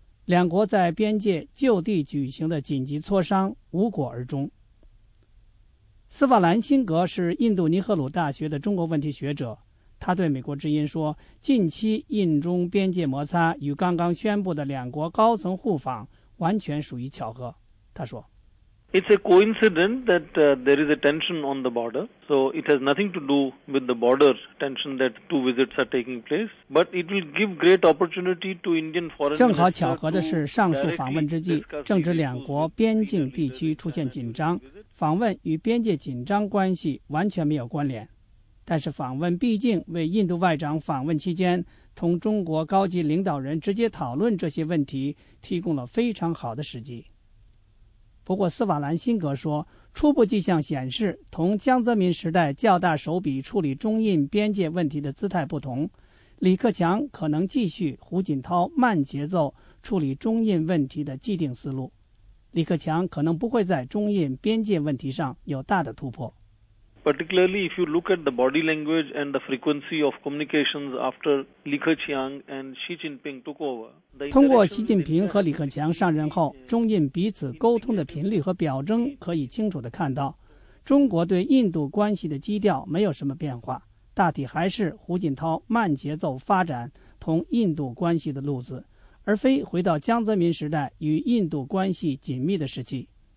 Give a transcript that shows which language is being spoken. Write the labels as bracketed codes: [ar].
[zh] 两国在边界就地举行的紧急磋商无果而终。斯瓦兰辛格是印度尼赫鲁大学的中国问题学者，他对美国之音说，近期印中边界摩擦与刚刚宣布的两国高层互访完全属于巧合。他说， [en] It's a coincidence that there is a tension on the border. So it has nothing to do with the border tension that two visits are taking place. But it will give great opportunity to Indian foreign minister. [zh] 正好巧合的是，上述访问之际，正值两国边境地区出现紧张，访问与边界紧张关系完全没有关联。但是访问毕竟为印度外长访问期间同中国高级领导人直接讨论这些问题提供了非常好的时机。不过斯瓦兰辛格说，初步迹象显示，同江泽民时代较大手笔处理中印边界问题的姿态不同，李克强可能继续胡锦涛慢节奏处理中印问题的既定思路。李克强可能不会在中印边界问题上有大的突破。 [en] Particularly if you look at the body language and the frequency of communications after Li Keqiang and Xi Jinping took over. [zh] 通过习近平和李克强上任后，中印彼此沟通的频率和表征可以清楚地看到，中国对印度关系的基调没有什么变化，大体还是胡锦涛慢节奏发展同印度关系的路子，而非回到江泽民时代与印度关系紧密的时期。